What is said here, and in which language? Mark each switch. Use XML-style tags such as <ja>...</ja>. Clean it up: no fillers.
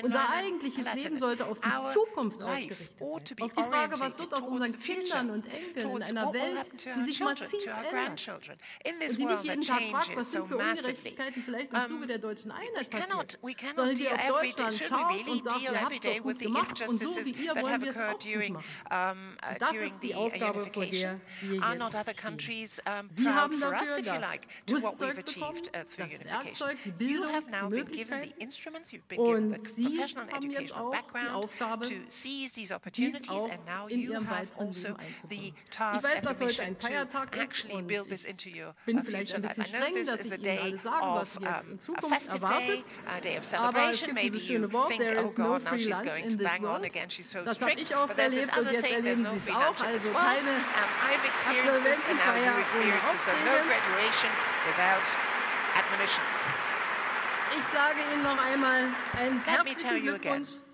<de>Unser eigentliches Leben sollte auf die Zukunft ausgerichtet sein. Auf die Frage, was wird aus unseren Kindern und Enkeln in einer Welt, die sich massiv ändert und die nicht jeden Tag fragt, was sind für Ungerechtigkeiten vielleicht im Zuge der deutschen Einheit passiert, sondern die auf Deutschland schaut und sagt, ihr habt es gut gemacht und so wie ihr wollen wir es auch gut machen. Das ist die Aufgabe, vor der wir jetzt stehen. Sie haben da</de> <en>for us, if you like, to what we've achieved through unification. You have now been given the instruments, you've been given the professional and educational background to seize these opportunities, and now you have also the task and the mission to actually build this into your future. I know this is a day of a festive day, a day of celebration. Maybe you think, oh God, now she's going to bang on again, she's so strict. But there's this other saying, there's no free lunch in this world. I've experienced this, and now you experience this. So no graduation without admonitions.</en> <de>Ich sage Ihnen noch einmal einen herzlichen Glückwunsch.</de>